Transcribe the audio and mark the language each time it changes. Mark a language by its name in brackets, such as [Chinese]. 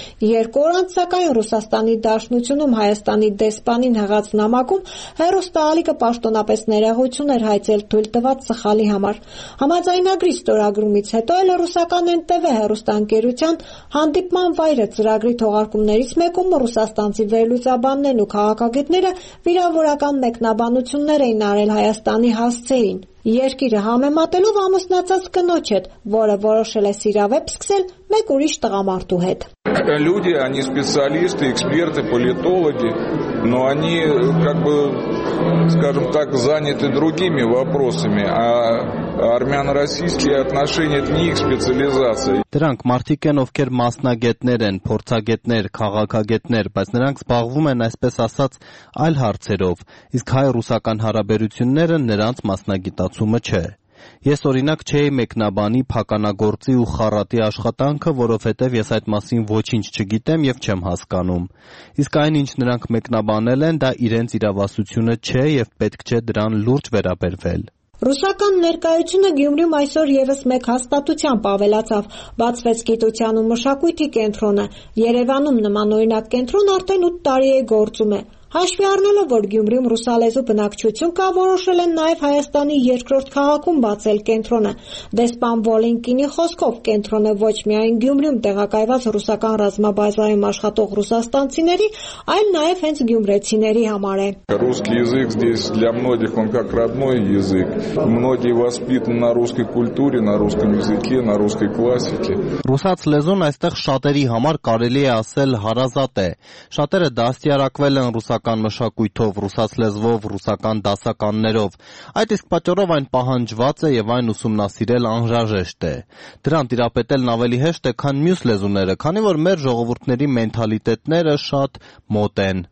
[Armenian] Երկու օր անց, սակայն, Ռուսաստանի Դաշնությունում Հայաստանի դեսպանին հղած նամակում հեռուստաալիքը պաշտոնապես ներեղություն էր հայցել թույլ տված սխալի համար։ Համաձայնագրի ստորագրումից հետո էլ ռուսական ՆՏՎ հեռուստաընկերության հանդիպման վայրը ծրագրի թողարկումներից մեկում ռուսաստանցի վերլուծաբաններն ու քաղաքագետները վիրավորական մեկնաբանություններ էին արել Հայաստանի հասցեին։ Երկիրը համեմատելով ամուսնացած կնոջ հետ, որը որոշել է սիրավեպ սկսել մեկ ուրիշ տղամարդու հետ։ [Russian] Люди, они специалисты, эксперты, политологи, но они как бы, скажем так, заняты другими вопросами, а армяно-российские отношения это не их специализация. [Armenian] Դրանք մարդիկ են, ովքեր մասնագետներ են, փորձագետներ, քաղաքագետներ, բայց նրանք զբաղվում են, այսպես ասած, այլ հարցերով, իսկ հայ-ռուսական հարաբերությունները նրանց մասնագիտացումը չէ։ Ես օրինակ չէի մեկնաբանի փականագործի ու խառատի աշխատանքը, որովհետև ես այդ մասին ոչինչ չգիտեմ և չեմ հասկանում։ Իսկ այն, ինչ նրանք մեկնաբանել են, դա իրենց իրավասությունը չէ և պետք չէ դրան լուրջ վերաբերվել։ Ռուսական ներկայությունը Գյումրիում այսօր ևս մեկ հաստատությամբ ավելացավ. Բացվեց գիտության ու մշակույթի կենտրոնը։ Երևանում նմանօրինակ կենտրոն արդեն 8 տարի է գործում է։ Հաշվի առնելով, որ Գյումրիում ռուսալեզու բնակչություն կա, որոշել են նաև Հայաստանի երկրորդ քաղաքում բացել կենտրոնը։ Դեսպան Վոլինկինի խոսքով, կենտրոնը ոչ միայն Գյումրիում տեղակայված ռուսական ռազմաբազայում աշխատող ռուսաստանցիների, այլ նաև հենց գյումրեցիների համար է։ [Russian] Ռուսский язык здесь для многих он как родной язык. Многие воспитаны на русской культуре, на русском языке, на русской классике. [Armenian] Ռուսաց լեզուն այստեղ շատերի համար կարելի է ասել հարազատ է։ Շատերը դաստիարակվել են ռուսական մշակույթով, ռուսաց լեզվով, ռուսական դասականներով, այդ իսկ պատճառով այն պահանջված է և այն ուսումնասիրել անհրաժեշտ է։ Դրան տիրապետելն ավելի հեշտ է, քան մյուս լեզուները, քանի որ մեր ժողովուրդների մենթալիտետները շատ մոտ են։